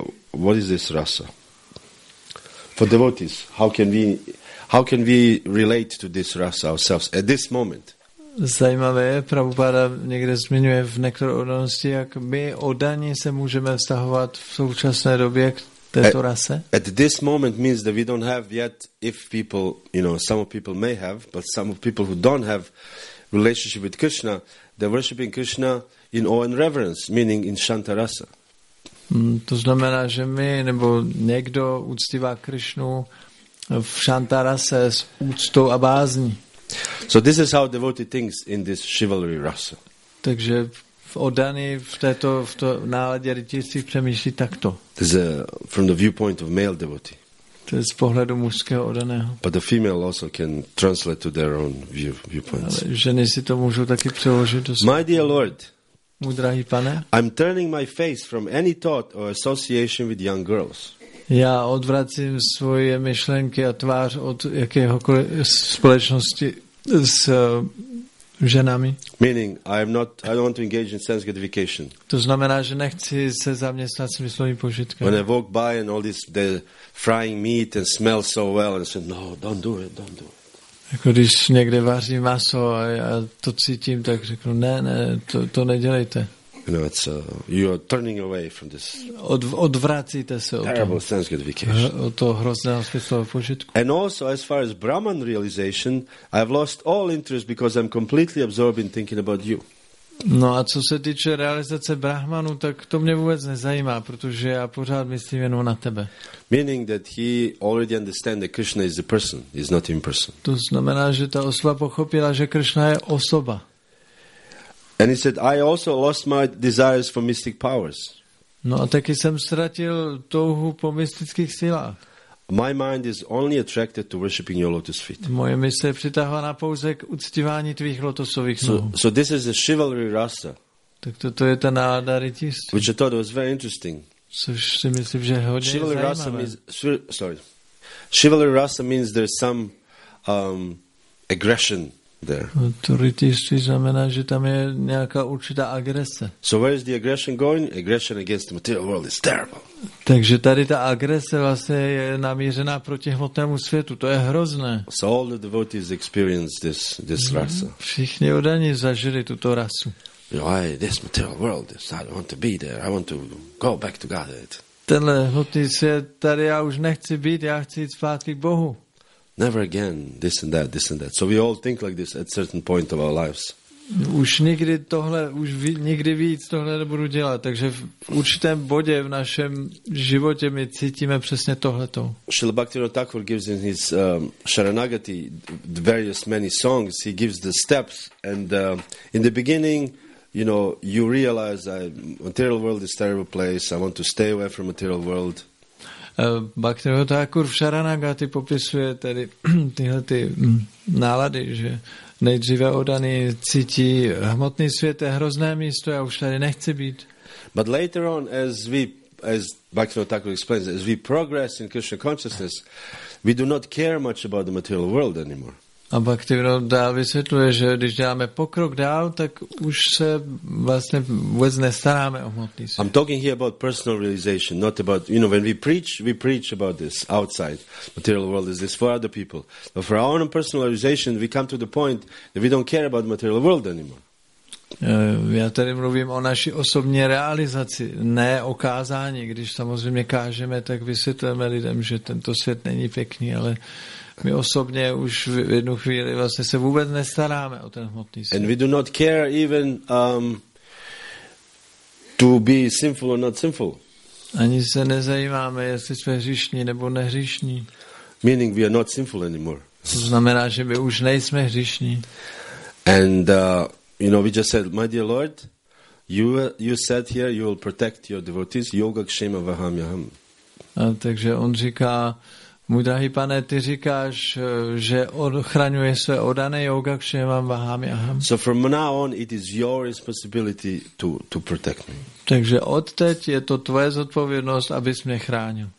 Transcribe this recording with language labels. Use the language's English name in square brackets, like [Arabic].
[English] What is this rasa for devotees? How can we relate to this rasa ourselves at this moment? [Czech] Zajímavé, Prabhupada někde zmiňuje v Nectar of Devotion, jak my oddaní se můžeme vztahovat v současné době k této rase. [English] At this moment means that we don't have yet, if people, you know, some of people may have, but some of people who don't have relationship with Krishna, they're worshipping Krishna in awe and reverence, meaning in Shantarasa. [Czech] To znamená, že my, nebo někdo uctívá Krishnu v Shantarase s úctou a bázní. [English] So this is how devotee thinks in this chivalry rasa. [Czech] Takže v oddaní v této náladě rytířství přemýšlí takto. [English] This is from the viewpoint of male devotee. [Czech] To je z pohledu mužského oddaného. [English] But the female also can translate to their own viewpoints. [Czech] Ale ženy si to můžou taky přeložit do svého. [English] My dear Lord, [Czech] můj drahý pane, [English] I'm turning my face from any thought or association with young girls. [Czech] Já odvracím svoje myšlenky a tvář od jakéhokoliv společnosti s ženami. [English] Meaning, I don't want to engage in sense gratification. [Czech] To znamená, že nechci se zaměstnat smyslovým požitkem. [English] When I walk by and all this the frying meat and smell so well, and say, no, don't do it. [Czech] Jako když někde vaří maso a já to cítím, tak řeknu, ne, to nedělejte. [English] You know, it's you are turning away from this. [Czech] Odvracíte se od [English] terrible sense gratification. [Czech] To hrozného smyslového požitku. [English] And also, as far as Brahman realization, I have lost all interest because I'm completely absorbed in thinking about you. [Czech] No a co se týče realizace Brahmanu, tak to mě vůbec nezajímá, protože já pořád myslím jenom na tebe. [English] Meaning that he already understands that Krishna is a person, is not impersonal. [Czech] To znamená, že ta osoba pochopila, že Krishna je osoba. [English] And he said, I also lost my desires for mystic powers. [Czech] No, a taky jsem ztratil touhu po mystických silách. [English] My mind is only attracted to worshipping your lotus feet. [Czech] Moje mysl je přitahovaná pouze k uctívání tvých lotosových nohou. [English] So this is a chivalry rasa. [Czech] Tak to je ta nálada rytířství. [English] Which I thought was very interesting. [Czech] Což si myslím, že hodně [English] chivalry [Czech] je [English] rasa means, sorry. Chivalry rasa means there's some aggression. [Czech] To rytířství znamená, že tam je nějaká určitá agrese. [English] So where is the aggression going? Aggression against the material world is terrible. [Czech] Takže tady ta agrese vlastně je namířená proti hmotnému světu. To je hrozné. [English] So all the devotees experience this rasa. [Czech] Všichni oddaní zažili tuto rasu. [English] Why this material world? I don't want to be there. I want to go back to Godhead. [Czech] Tenhle hmotný svět, tady já už nechci být, já chci jít zpátky k Bohu. [English] Never again, this and that. So we all think like this at certain point of our lives. [Czech] už nikdy tohle, už nikdy víc tohle nebudu dělat, takže v určitém bodě v našem životě my cítíme přesně tohleto. [English] Srila Bhaktivinoda Thakur gives in his Sharanagati various many songs, he gives the steps and in the beginning, you know, you realize that material world is a terrible place, I want to stay away from material world. [Czech] Bhaktivinoda Thakur v Sharanagati popisuje tedy tyhle ty nálady, že nejdříve Odany cítí hmotný svět je hrozné místo, já už tady nechci být. [English] But later on, as Bhaktivinoda Thakur explains, as we progress in Krishna consciousness, we do not care much about the material world anymore. [Czech] A Bhaktivinoda dál vysvětluje, že když děláme pokrok dál, tak už se vlastně vůbec nestaráme o hmotný svět. [English] I'm talking here about personal realization, not about, you know, when we preach about this outside material world is this for other people. But for our own personal realization, we come to the point that we don't care about material world anymore. [Czech] Já tady mluvím o naší osobní realizaci, ne o kázání, když samozřejmě kážeme, tak vysvětlujeme lidem, že tento svět není pěkný, ale my osobně už v jednu chvíli vlastně se vůbec nestaráme o ten hmotný svět. [English] And we do not care even to be sinful or not sinful. [Czech] Ani se nezajímáme, jestli jsme hříšní nebo nehříšní. [English] Meaning we are not sinful anymore. [Czech] To znamená, že my už nejsme hříšní. [English] And you know, we just said, my dear Lord, you said here you will protect your devotees, yoga kshema vaham yaham. [Czech] A takže on říká, můj drahý pane, ty říkáš, že ochraňuje své odané yoga kshema vaham yaham. [English] So from now on, it is your responsibility to protect me. [Czech] Takže odteď je to tvoje zodpovědnost, abys mě chránil.